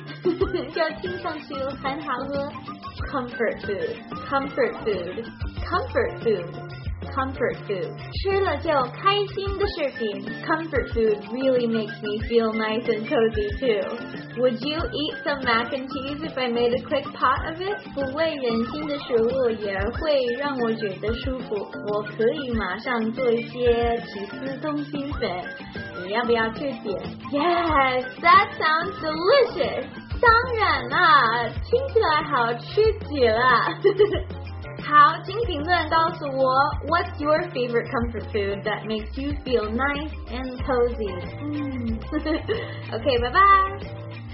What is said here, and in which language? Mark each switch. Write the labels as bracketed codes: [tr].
[zh] 就听上去很好喝。Comfort food. 吃了就开心的食品。 [en] Comfort food really makes me feel nice and cozy too. Would you eat some mac and cheese if I made a quick pot of it? [zh] 不味人心的食物也会让我觉得舒服。我可以马上做一些起司通心粉。你要不要吃点？ [en] Yes, that sounds delicious. [zh] 当然啦，听起来好吃极了。好，请评论告诉我 [en] What's your favorite comfort food that makes you feel nice and cozy? OK, bye bye.